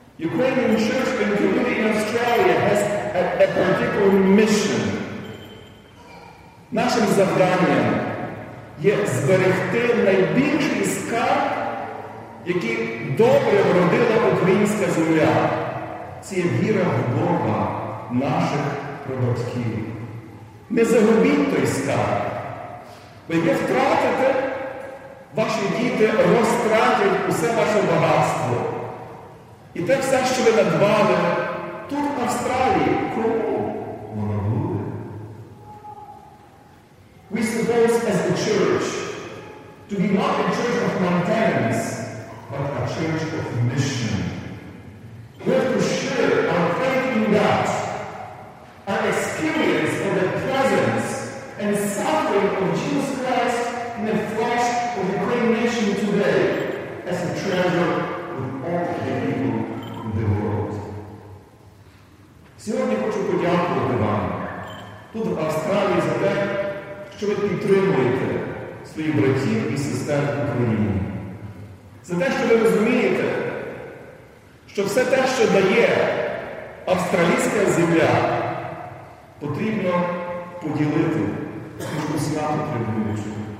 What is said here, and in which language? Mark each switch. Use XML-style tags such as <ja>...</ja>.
<en>Ukrainian church and community in Australia has a particular mission.</en> <uk>Нашим завданням є зберегти найбільший скарб, який добре вродила українська земля. Це є віра в Бога наших прабатьків. Не загубіть той скарб. Бо якщо втратите, ваші діти розтратять усе ваше багатство. І те все, що ви надбали, тут, в Австралії, кому воно буде?</uk> <en>We suppose as a church to be not a church of maintenance, but a church of mission. We have to share our faith in God, our experience of the presence and suffering of Jesus Christ in the flesh of the Ukrainian nation today as a treasure of all the people in the world.</en> <uk>Сьогодні хочу подякувати вам тут, в Австралії, за те, що ви підтримуєте своїх братів і сестер в Україні. За те, що ви розумієте, що все те, що дає австралійська земля, потрібно поділити між усіма потребуючими.</uk>